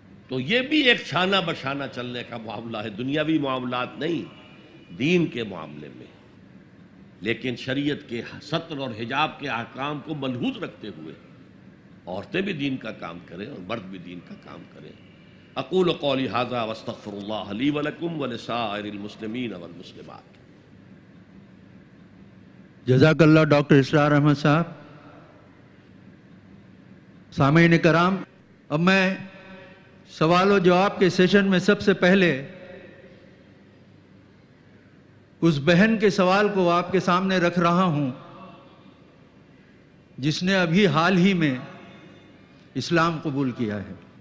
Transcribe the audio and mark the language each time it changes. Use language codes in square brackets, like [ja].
[hi] तो यह भी एक छाना बशाना चलने का मामला है, दुनियावी मामलात नहीं दीन के मामले में, लेकिन शरीयत के सत्र और हिजाब के अहकाम को मलहूज रखते हुए औरतें भी दीन का काम करें और मर्द भी दीन का काम करें। [ar] अकूल قولي هذا واستغفر الله لي ولكم ولسائر المسلمين والمسلمات। جزاك الله [hi] डॉक्टर इसरार अहमद साहब। सामईन कराम, अब मैं सवाल और जवाब के सेशन में सबसे पहले उस बहन के सवाल को आपके सामने रख रहा हूं जिसने अभी हाल ही में इस्लाम कबूल किया है।